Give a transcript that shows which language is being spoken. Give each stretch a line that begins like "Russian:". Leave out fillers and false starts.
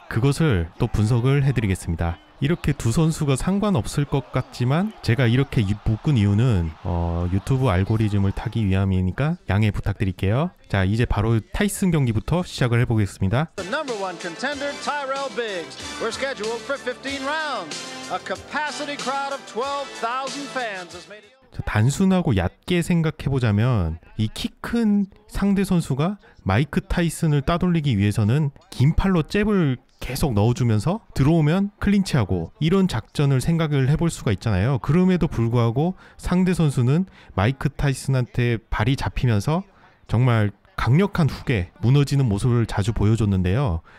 Korean: 그것을 또 분석을 해드리겠습니다. 이렇게 두 선수가 상관없을 것 같지만 제가 이렇게 묶은 이유는 유튜브 알고리즘을 타기 위함이니까 양해 부탁드릴게요. 자, 이제 바로 타이슨 경기부터 시작을 해보겠습니다.
English: The number one contender Tyrell Biggs. We're scheduled for 15 rounds. A capacity crowd of 12,000 fans has made it.
Korean: 단순하고 얕게 생각해보자면 이 키 큰 상대 선수가 마이크 타이슨을 따돌리기 위해서는 긴 팔로 잽을 계속 넣어주면서 들어오면 클린치하고 이런 작전을 생각을 해볼 수가 있잖아요. 그럼에도 불구하고 상대 선수는 마이크 타이슨한테 발이 잡히면서 정말 강력한 훅에 무너지는 모습을 자주 보여줬는데요.